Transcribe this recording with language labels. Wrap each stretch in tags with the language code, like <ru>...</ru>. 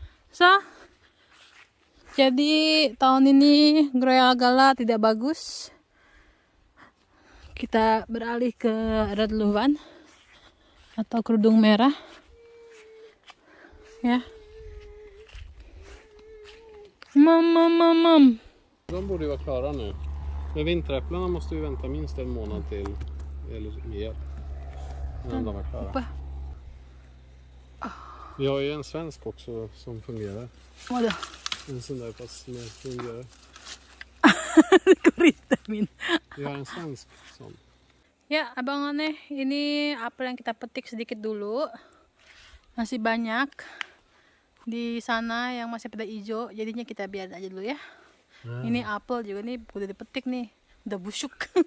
<id>So, jadi tahun ini Royal Gala tidak bagus. Kita beralih ke Red Luwan atau kerudung merah ya. Mam</id> <sv>de borde ju vara klara nu, men vinteräpplena måste ju vänta minst en månad till eller mer innan de är klara. Vi har ju en svensk också som fungerar. Vadå? En sån där fast som fungerar. Det går inte min. Vi har en svensk sån.</sv> <id>Ya, abang aneh, ini apel yang kita petik sedikit dulu. Masih banyak di sana yang masih pada hijau, jadinya kita biarin aja dulu ya. Hmm. Ini apel juga nih udah dipetik nih, udah busuk.</id>